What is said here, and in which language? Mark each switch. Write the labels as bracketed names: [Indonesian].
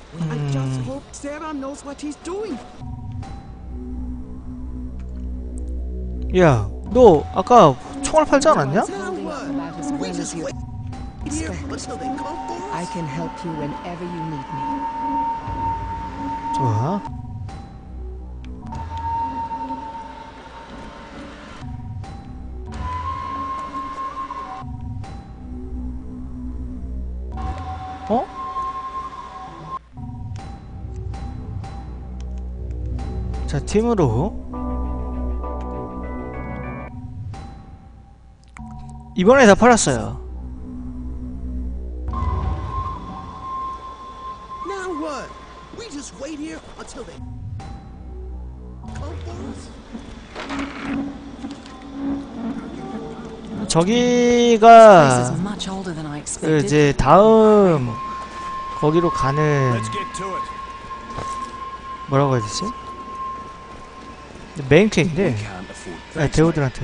[English] I just hope Sarah knows what he's doing. [Korean] 야, 너 아까 총알 팔지 않았냐? [English] I can help you whenever you need me. [Korean] 좋아. 어? 자, 팀으로. 이번에 다 팔았어요. [English] Now what? We just wait here until they come for us. [Korean] 저기가 그 이제 다음 거기로 가는 뭐라고 해야 되지? 메인 캐인데 네, 대우들한테